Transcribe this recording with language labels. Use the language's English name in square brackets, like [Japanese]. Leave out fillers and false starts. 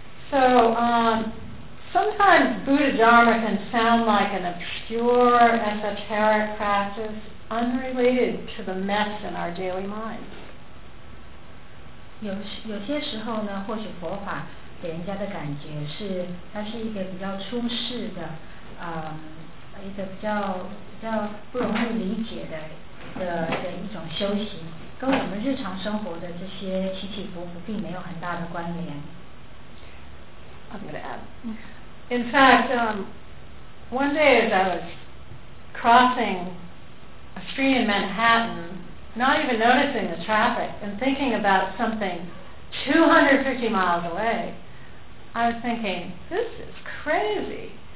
[English] Sometimes Buddha Dharma can sound like an obscure esoteric practice unrelated to the mess in our daily minds. [Chinese] 有些时候呢，或许佛法给人家的感觉是，它是一个比较出世的，一个比较不容易理解的一种修行，跟我们日常生活的这些起起伏伏并没有很大的关联。 [English] I'm going to add. In fact, one day as I was crossing a street in Manhattan, not even noticing the traffic and thinking about something 250 miles away, I was thinking, this is crazy.